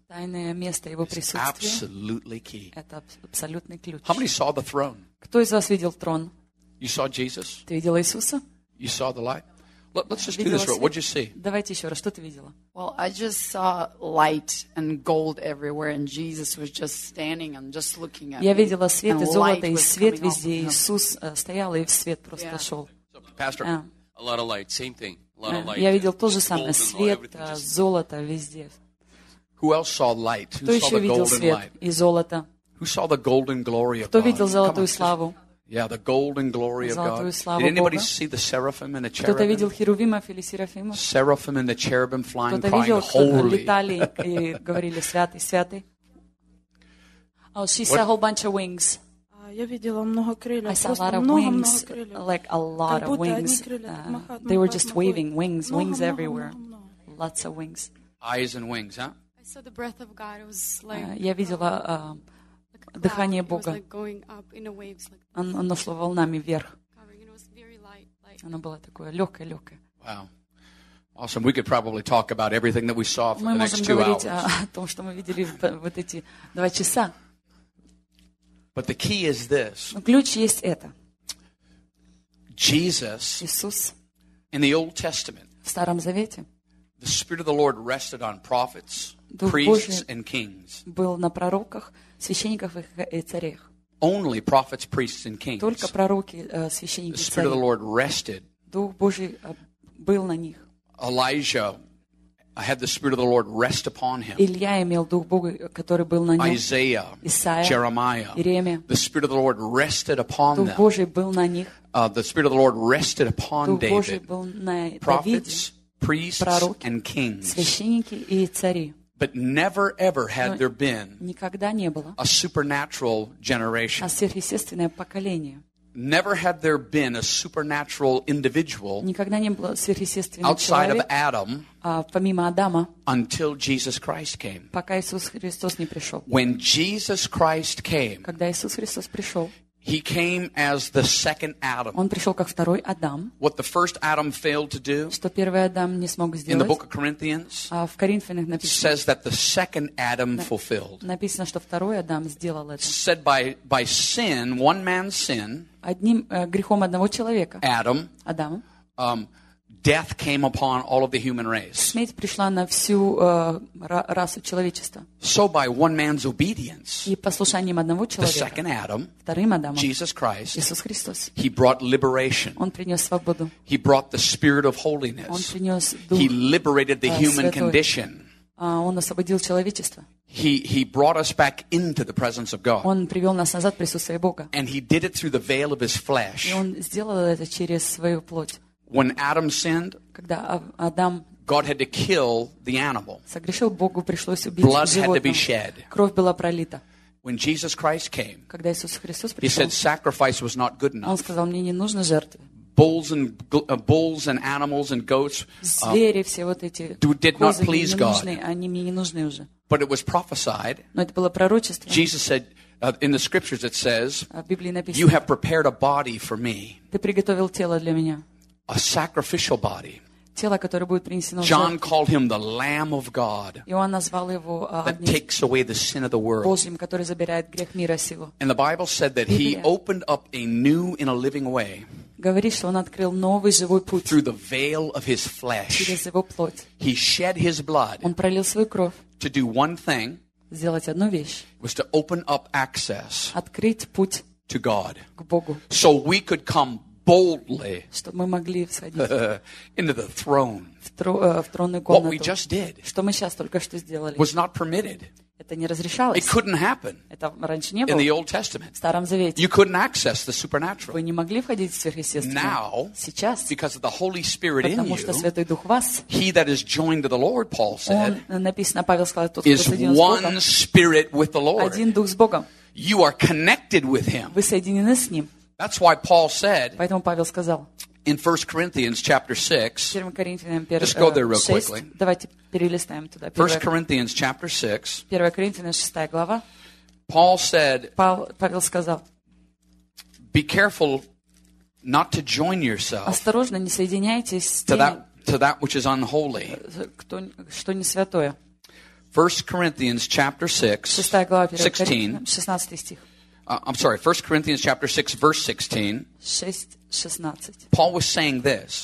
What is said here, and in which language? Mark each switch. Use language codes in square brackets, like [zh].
[ru] Тайное место Его присутствия. [en] Absolutely key. [ru] Это абсолютный ключ. [en] How many saw the throne? [ru] Кто из вас видел трон? [en] You saw Jesus? [ru] Ты видела Иисуса? [en] You saw the light? Let's just do this. What did you see? [ru] Давайте еще раз. Что ты видела? [en] Well, I just saw light and gold everywhere, and Jesus was just standing and just looking at me. [ru] Я видела свет и золото, и свет везде. Иисус стоял и в свет просто шел. [en] Pastor, a lot of light. Same thing. [ru] Я видел то же самое. Свет, золото везде. [en] Who else saw light? [ru] Кто еще видел свет и золото? [en] Who saw the golden glory of God? [ru] Кто видел золотую славу? [en] Yeah, the golden glory of God. [ru] Золотую славу Бога. [en] Did anybody see the seraphim and the cherubim? [ru] Кто-то видел херувимов или серафимов? [en] Seraphim and the cherubim flying, crying, [ru] holy. Кто-то видел, кто летали и говорили святый, святый? [en] Oh, she saw a whole bunch of wings. [ru] Я видела много крыльев. [en] I saw [ru] просто [en] a lot of wings, like a lot of wings. They were just waving wings, [ru] много, [en] wings [ru] много, [en] everywhere. [ru] Много. [en] Lots of wings. Eyes and wings, huh? I saw the breath of God. It was like. [ru] Я видела дыхание Бога. [en] It was like going up in a waves, like. [ru] Оно шло волнами вверх. [en] Covering, it was very light, like. [ru] Оно было такое легкое, легкое. [en] Wow. Awesome. We could probably talk about everything that we saw for [ru] мы [en] the next 2 hours. [ru] Мы можем говорить о том, что мы видели вот эти 2 часа. [en] But the key is this. [ru] Ключ есть это. [en] Jesus. [ru] Иисус. [en] In the Old Testament. [ru] В Старом Завете. [en] The Spirit of the Lord rested on prophets, priests, and kings. [ru] Был на пророках, священниках и царях. [en] Only prophets, priests, and kings. [ru] Только пророки, священники и цари. [en] The Spirit of the Lord rested. [ru] Дух Божий был на них. [en] Elijah had the Spirit of the Lord rest upon him. [ru] Илия имел Дух Божий, который был на нем. [en] Isaiah, [ru] Исаия, [en] Jeremiah, [ru] Иеремия. [en] The Spirit of the Lord rested upon [ru] them. Дух Божий был на них. [en] The Spirit of the Lord rested upon [ru] Дух [en] David. [ru] Дух Божий был на [en] prophets, [ru] Давиде. [en] Priests [ru] пророки, [en] and kings. [ru] Священники и цари. [en] But never ever had there been [ru] никогда не было [en] a supernatural generation. [ru] А сверхъестественное поколение. [en] Never had there been a supernatural individual [ru] никогда не было сверхъестественного [en] outside [ru] человек, [en] of Adam, [ru] помимо Адама, [en] until Jesus Christ came. [ru] Пока Иисус Христос не пришел. [en] When Jesus Christ came, [ru] когда Иисус Христос пришел, [en] He came as the second Adam. [ru] Он пришел как второй Адам. [en] What the first Adam failed to do, [ru] что первый Адам не смог сделать, [en] in the book of Corinthians, [ru] в Коринфянах написано, [en] says that the second Adam fulfilled. [ru] Написано, что второй Адам сделал это. [en] Said by sin, one man's sin, [ru] одним, грехом одного человека, [en] Adam, [ru] Адам, [en] death came upon all of the human race. [ru] Смерть пришла на всю, расу человечества. [en] So by one man's obedience, [ru] и послушанием одного человека, [en] the second Adam, [ru] вторым Адамом, [en] Jesus Christ, [ru] Иисус Христос, [en] he brought liberation. [ru] Он принес свободу. [en] He brought the spirit of holiness. [ru] Он принес дух, [en] he liberated the human [ru] святой. [en] Condition. [ru] Он освободил человечество. [en] He brought us back into the presence of God. [ru] Он привел нас назад в присутствие Бога. [en] And he did it through the veil of his flesh. [ru] И он сделал это через свою плоть. [en] When Adam sinned, [ru] когда Адам, [en] God had to kill the animal. [ru] Согрешил, Богу пришлось убить [en] Blood [ru] животное. [en] Blood had to be shed. [ru] Кровь была пролита. [en] When Jesus Christ came, [ru] когда Иисус Христос пришел, [en] He said sacrifice was not good enough. [ru] Он сказал, мне не нужны жертвы. [en] Bulls and animals and goats, [ru] звери все вот эти, [en] did not please God. [ru] Они мне не нужны уже. [en] But it was prophesied. [ru] Но это было пророчество. [en] Jesus said, in the scriptures it says, [ru] в Библии написано, [en] you have prepared a body for me. [ru] Ты приготовил тело для меня. [en] A sacrificial body. [ru] Тело, которое будет принесено. [en] John called him the Lamb of God. [ru] Иоанн назвал его [en] that takes away the sin of the world. [ru] Божьим, который забирает грех мира сего. [en] And the Bible said that he opened up a new and a living way. [ru] Говорит, что он открыл новый живой путь. [en] Through the veil of his flesh. [ru] Через его плоть. [en] He shed his blood. [ru] Он пролил свою кровь. [en] To do one thing. [ru] Сделать одну вещь. [en] Was to open up access. [ru] Открыть путь. [en] To God. [ru] К Богу. [en] So we could come. Boldly, [ru] чтобы мы могли всадить [en] into the throne. [ru] В тронную комнату. [en] What we just did, [ru] что мы сейчас только что сделали, [en] was not permitted. [ru] Это не разрешалось. [en] It couldn't happen. [ru] Это раньше не было. [en] In the Old Testament, [ru] в Старом Завете. [en] You couldn't access the supernatural. [ru] Вы не могли входить в сверхъестественное. [en] Now, [ru] сейчас, [en] because of the Holy Spirit in you, [ru] потому что Святой Дух в вас, [en] he that is joined to the Lord, Paul said, [ru] он, написано, Павел сказал, тот, кто [en] is one [ru] с Богом, [en] spirit with the Lord. [ru] Один дух с Богом. [en] You are connected with him. [ru] Вы соединены с ним. [en] That's why Paul said [ru] Поэтому Павел сказал, [en] in 1 Corinthians chapter 6, just go there real [ru] 6, [en] quickly. [ru] Давайте перелистаем туда. [en] 1 Corinthians chapter 6, [ru] 1 Corinthians 6 глава, [en] Paul said, [ru] Павел сказал, [en] be careful not to join yourself [ru] осторожно, не соединяйтесь с теми, [en] to that which is unholy. [ru] Кто, что не святое. [en] 1 Corinthians chapter 6, [ru] 6 глава, 16 стих. [en] I'm sorry, 1 Corinthians chapter 6, verse 16. [ru] 16. [en] Paul was saying this.